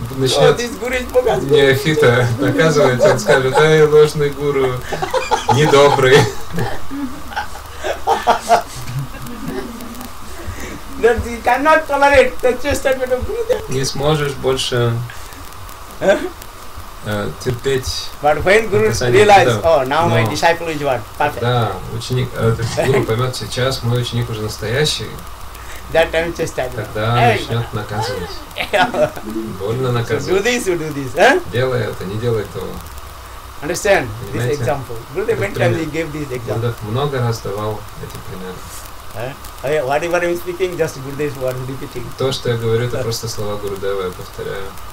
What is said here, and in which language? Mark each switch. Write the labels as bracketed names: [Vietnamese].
[Russian] начнет неофита наказывать, он скажет, ай, ложный гуру, недобрый. [English] Then he cannot tolerate the chastisement of guru. [Russian] Не сможешь больше терпеть. [English] But when Guru realizes, oh, now my disciple is what? Perfect. [Russian] Да, ученик, Guru поймет, сейчас мой ученик уже настоящий. [English] That time just that. [Russian] Тогда начнет наказывать. Больно наказывать. [English] So do this, do this. [Russian] Делай это, не делай того. [English] Understand? This example. Guru many times he gave this example. [Russian] Он много раз давал эти примеры. [English] Whatever I'm speaking, just Guru is what repeating. [Russian] То, что я говорю, это просто слова Гурудева, я повторяю.